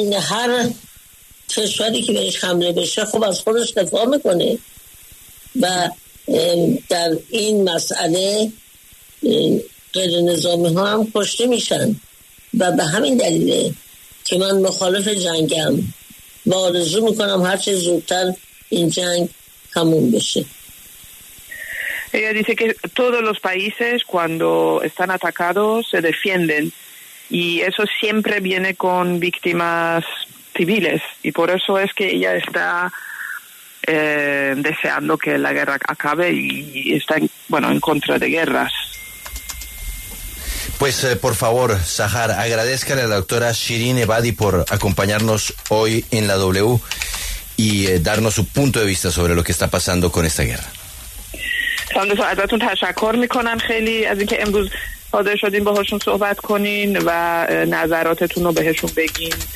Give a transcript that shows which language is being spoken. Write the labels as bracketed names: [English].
[Persian] هر کشوری که بهش حمله بشه خب از خودش دفاع میکنه و در این مسئله غیر نظامی ها هم کشته میشن و به همین دلیله که من مخالف جنگم و آرزو میکنم هرچه زودتر این جنگ تموم بشه. [Spanish] Ella dice que todos los países cuando están atacados se defienden. y eso siempre viene con víctimas civiles, y por eso es que ella está deseando que la guerra acabe y está en contra de guerras. Pues por favor, Sahar, agradézcale a la doctora Shirin Ebadi por acompañarnos hoy en la W y darnos su punto de vista sobre lo que está pasando con esta guerra. [Persian] ساندسو ازتون تشکر میکنم خیلی از اینکه امروز حاضر شدین باهاشون صحبت کنین و نظراتتون رو بهشون بگین.